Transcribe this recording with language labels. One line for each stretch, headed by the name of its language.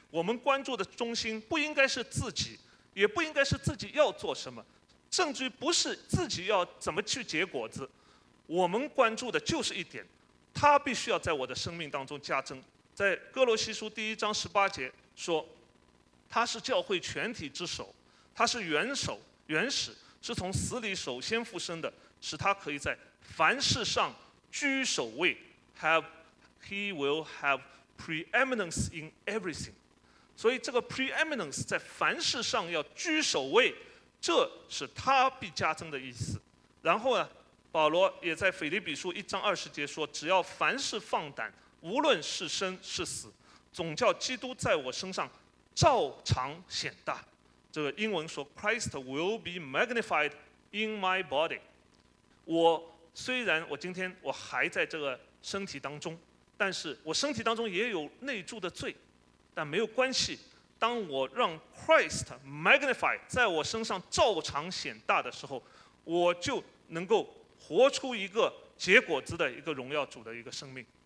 Chinese: 我们关注的中心不应该是自己，也不应该是自己要做什么，甚至不是自己要怎么去结果子，我们关注的就是一点，他必须要在我的生命当中加增。在哥罗西书第一章十八节说，他是教会全体之首，他是元首，原始是从死里首先复生的，使他可以在凡事上居首位。
English: He will have preeminence in everything。
Chinese: 所以这个 preeminence 在凡事上要居首位，这是他必加增的意思。然后呢，保罗也在腓立比书一章二十节说，只要凡事放胆，无论是生是死，总叫基督在我身上照常显大。这个英文说
English: Christ will be magnified in my body。
Chinese: 我虽然我今天我还在这个身体当中，但是我身体当中也有内住的罪，但没有关系，当我让
English: Christ magnify
Chinese: 在我身上照常显大的时候，我就能够活出一个结果子的一个荣耀主的一个生命。